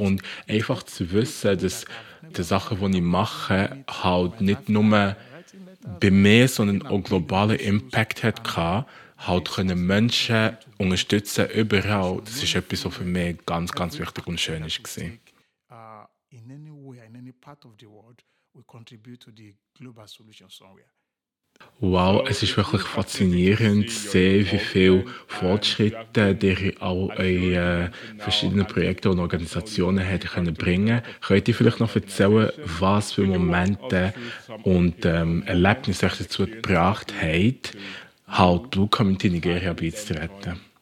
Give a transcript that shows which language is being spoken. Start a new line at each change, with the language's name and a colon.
German: Und einfach zu wissen, dass die Sachen, die ich mache, halt nicht nur bei mir, sondern auch globalen Impact hatte, halt können Menschen unterstützen, überall. Das ist etwas, was für mich ganz, ganz wichtig und schön war.
English: In any way, in any part of the world, we contribute to the global solution somewhere.
German: Wow, es ist wirklich faszinierend zu sehen, wie viele Fortschritte ihr in all euren verschiedenen Projekten und Organisationen hättet bringen können. Könnt ihr vielleicht noch erzählen, was für Momente und Erlebnisse euch dazu gebracht haben, halt Blue Community Nigeria beizutreten?